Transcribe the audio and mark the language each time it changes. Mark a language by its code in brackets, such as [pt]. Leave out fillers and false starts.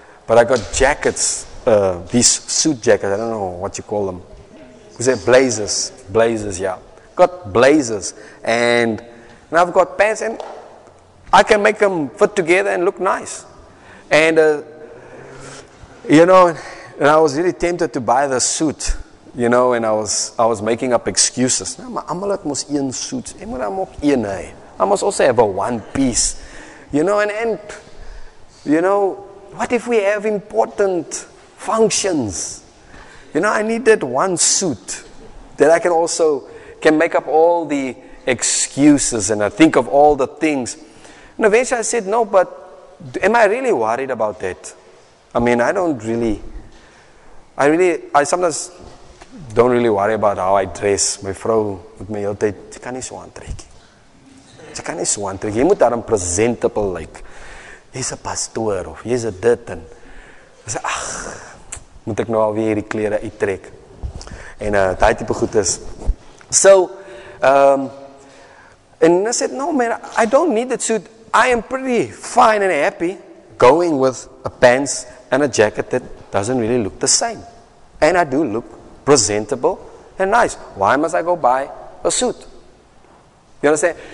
[en] But I got jackets, these suit jackets, I don't know what you call them. Is it blazers? Blazers, yeah. Got blazers. And I've got pants, and I can make them fit together and look nice. And, you know, and I was really tempted to buy the suit, you know, and I was making up excuses. [af] Nou, maar almal het mos een suit. Ek moet hom ook een hê. [en] I must also have a one piece. You know, and you know, what if we have important functions? You know, I need that one suit that I can also can make up all the excuses and I think of all the things. And eventually I said, no, but am I really worried about that? I mean, I sometimes don't really worry about how I dress. [af] My vrou met my hele tyd, jy kan nie so aantrek. Jy kan nie so aantrek. Jy moet daarom presentable like. Jy's 'n pastoor of jy's 'n dit en ek sê ag, moet ek nou al weer die klere uittrek. En daai tipe goed is. [en] So and I said, no man, I don't need that suit. I am pretty fine and happy going with a pants and a jacket that doesn't really look the same. And I do look presentable and nice. Why must I go buy a suit? You understand?